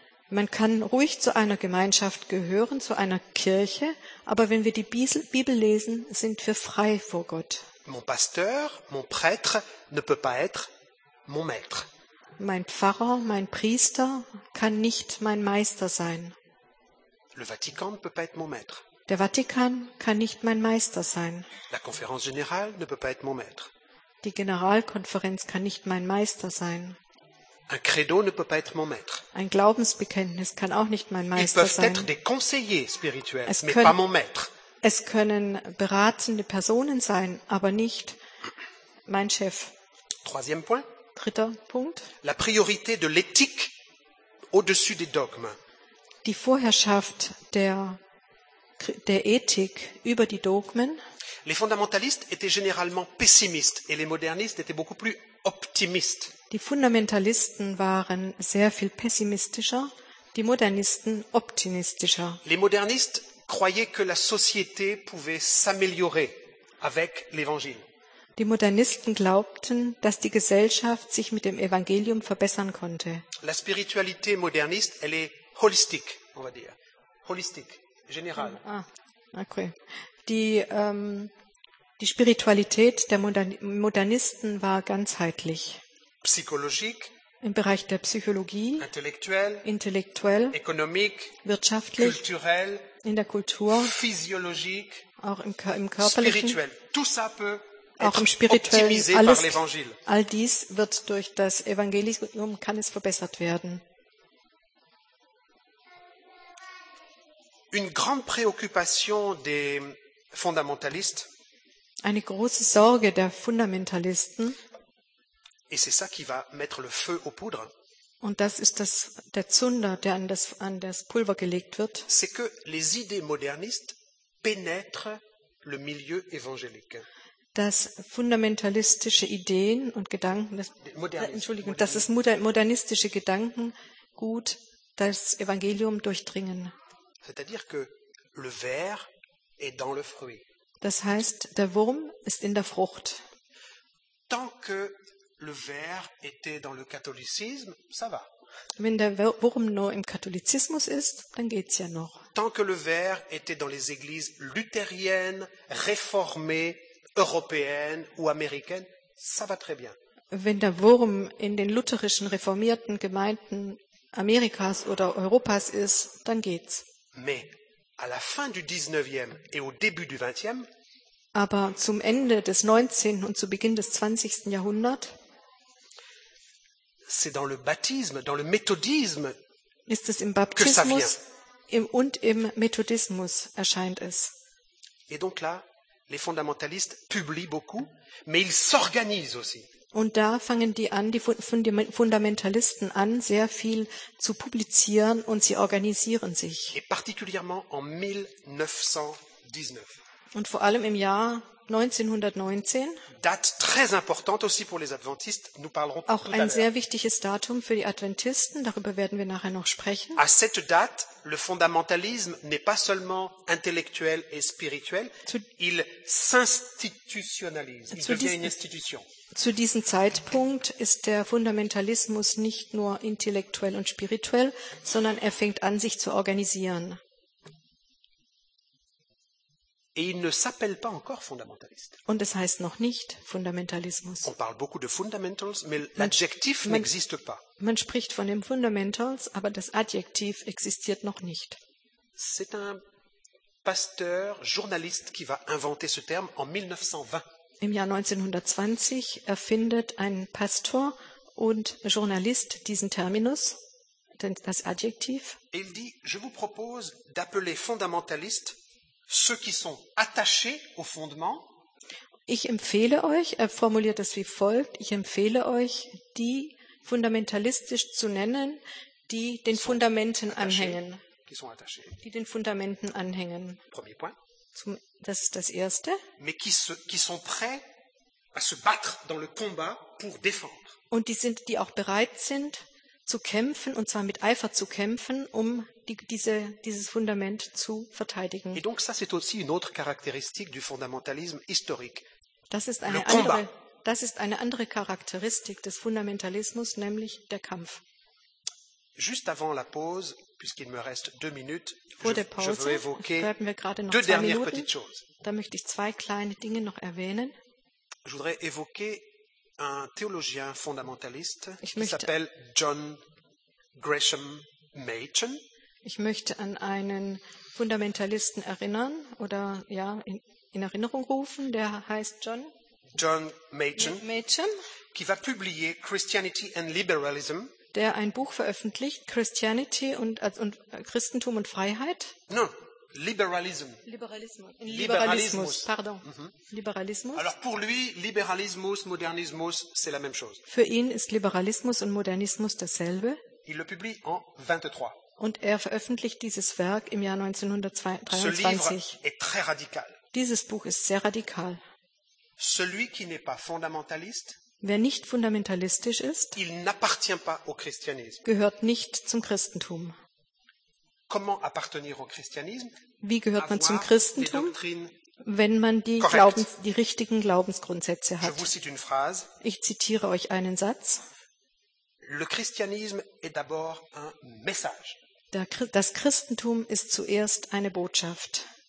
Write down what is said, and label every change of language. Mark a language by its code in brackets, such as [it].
[de] Man kann ruhig zu einer Gemeinschaft gehören, zu einer Kirche, aber wenn wir die Bibel lesen, sind wir frei vor Gott. [fr] Mon pasteur, mon prêtre ne peut pas être mon maître. [de] Mein Pfarrer, mein Priester kann nicht mein Meister sein. [fr] Le Vatican ne peut pas être mon maître. [de] Der Vatikan kann nicht mein Meister sein. [fr] La conférence générale ne peut pas être mon maître. [de] Die Generalkonferenz kann nicht mein Meister sein. [fr] Un credo ne peut pas être mon maître. [de] Ein Glaubensbekenntnis kann auch nicht mein Meister sein. [fr] Ils peuvent être des conseillers spirituels, mais pas mon maître. [de] Es können beratende Personen sein, aber nicht mein Chef. [fr] Troisième point. [de] Dritter Punkt. [fr] La priorité de l'éthique au-dessus des dogmes. [de] Die Vorherrschaft der Ethik über die Dogmen. [fr] Les fondamentalistes étaient généralement pessimistes et les modernistes étaient beaucoup plus optimistes. [de] Die Fundamentalisten waren sehr viel pessimistischer, die Modernisten optimistischer. [fr] Les modernistes croyaient que la société pouvait s'améliorer avec l'Évangile. [de] Die Modernisten glaubten, dass die Gesellschaft sich mit dem Evangelium verbessern konnte. [fr] La spiritualité moderniste, elle est holistique, on va dire. Holistique, général. Okay. [de] Die Spiritualität der Modernisten war ganzheitlich. [fr] Psychologique, [de] im Bereich der Psychologie, intellektuell, [fr] économique, [de] wirtschaftlich, [fr] culturel, [de] in der Kultur, [fr] physiologique, [de] auch im körperlichen, [fr] spirituel. Tout ça peut [de] auch im Spirituellen, all dies wird durch das Evangelium, kann es verbessert werden. [fr] Une grande préoccupation des fondamentalistes, [de] eine große Sorge der Fundamentalisten, [fr] et c'est ça qui va mettre le feu aux poudres, [de] und das ist der Zunder, der an das Pulver gelegt wird, [fr] c'est que les idées modernistes pénètrent le milieu évangélique. [de] Dass fundamentalistische Ideen und Gedanken, modernistische Gedanken gut das Evangelium durchdringen. [fr] C'est-à-dire que Le ver est dans le fruit. [de] Das heißt, der Wurm ist in der Frucht. [fr] Tant que le ver était dans le catholicisme, ça va. [de] Wenn der Wurm noch im Katholizismus ist, dann geht's ja noch. [fr] Tant que le ver était dans les églises luthériennes, réformées, européennes ou américaines, ça va très bien. [de] Wenn der Wurm in den lutherischen reformierten Gemeinden Amerikas oder Europas ist, dann geht's. [fr] Mais à la fin du 19e et au début du 20e, [de] aber zum Ende des 19. und zu Beginn des 20. Jahrhunderts, [fr] c'est dans le baptisme, dans le méthodisme, [de] ist es im Baptismus und im Methodismus erscheint es. [fr] Et donc là, les fondamentalistes publient beaucoup, mais ils s'organisent aussi. [de] Und da fangen die an, die Fundamentalisten an, sehr viel zu publizieren und sie organisieren sich. [fr] Et particulièrement en 1919. [de] Und vor allem im Jahr 1919. [fr] Date très importante aussi pour les Adventistes, nous parlerons tout à l'heure. [de] Auch ein sehr wichtiges Datum für die Adventisten, darüber werden wir nachher noch sprechen. [fr] À cette date, le fondamentalisme n'est pas seulement intellectuel et spirituel, il s'institutionnalise, il devient une institution. [de] Zu diesem Zeitpunkt ist der Fundamentalismus nicht nur intellektuell und spirituell, sondern er fängt an, sich zu organisieren. [fr] Et il ne s'appelle pas encore fundamentaliste. [de] Und es heißt noch nicht Fundamentalismus. [fr] On parle beaucoup de fundamentals, mais l'adjectif n'existe pas. [de] Man spricht von den Fundamentals, aber das Adjektiv existiert noch nicht. [fr] C'est un pasteur, journaliste qui va inventer ce terme en 1920. [de] Im Jahr 1920 erfindet ein Pastor und Journalist diesen Terminus, das Adjektiv. [fr] Et il dit, je vous propose d'appeler fundamentaliste ceux qui sont attachés au fondement. [de] Ich empfehle euch, er formuliert es wie folgt, ich empfehle euch, die fundamentalistisch zu nennen, die den Fundamenten anhängen. [fr] Qui sont attachés. [de] Die den Fundamenten anhängen. [fr] Premier point. [de] Das ist das Erste. [fr] Mais qui sont prêts à se battre dans le combat pour défendre. [de] Und die sind, die auch bereit sind, zu kämpfen, und zwar mit Eifer zu kämpfen, um dieses Fundament zu verteidigen. [fr] Et donc ça, c'est aussi une autre caractéristique du fondamentalisme historique. [de] Das ist eine andere Charakteristik des Fundamentalismus, nämlich der Kampf. [fr] Juste avant la pause, puisqu'il me reste deux minutes, je veux évoquer deux dernières petites choses. [de] Da möchte ich zwei kleine Dinge noch erwähnen. [fr] Je voudrais évoquer un théologien fondamentaliste qui s'appelle John Gresham Machen. [de] Ich möchte an einen Fundamentalisten erinnern oder ja in Erinnerung rufen, der heißt John [fr] Machen, qui va publier Christianity and Liberalism. [de] Der ein Buch veröffentlicht, Christianity und Christentum und Freiheit. [fr] Non, Liberalism. [de] Liberalismus. Pardon. Mm-hmm. Liberalismus. [fr] Alors pour lui, Liberalismus, Modernismus, c'est la même chose. [de] Für ihn ist Liberalismus und Modernismus dasselbe. [fr] Il le publie en 23. [de] Und er veröffentlicht dieses Werk im Jahr 1923. [fr] Ce livre est très radical. [de] Dieses Buch ist sehr radikal. [fr] Celui qui n'est pas fundamentaliste. [de] Wer nicht fundamentalistisch ist, [fr] il n'appartient pas au christianisme. [de] Gehört nicht zum Christentum. [fr] Comment appartenir au christianisme? [de] Wie gehört [fr] avoir [de] man zum Christentum, wenn man die richtigen Glaubensgrundsätze hat? [fr] Je vous cite une phrase. [de] Ich zitiere euch einen Satz. [fr] Le christianisme est d'abord un message. [de] Das Christentum ist zuerst eine Botschaft.